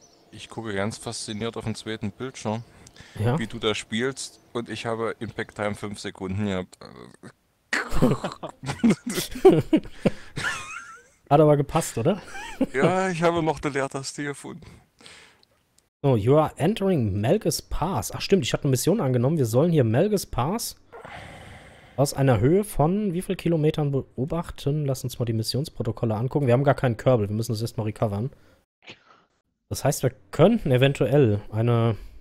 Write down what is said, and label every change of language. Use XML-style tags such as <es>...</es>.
<de>Ich gucke ganz fasziniert auf den zweiten Bildschirm, Ja? wie du da spielst, und ich habe Impact Time 5 Sekunden gehabt. Hat aber gepasst, oder? Ja, ich habe noch eine Leertaste gefunden.</de> <en>Oh, you are entering Melges Pass.</en> <de>Ach stimmt, ich hatte eine Mission angenommen. Wir sollen hier Melges Pass aus einer Höhe von wie viel Kilometern beobachten? Lass uns mal die Missionsprotokolle angucken. Wir haben gar keinen Kerbel. Wir müssen das erstmal recovern. Das heißt, wir könnten eventuell eine.</de>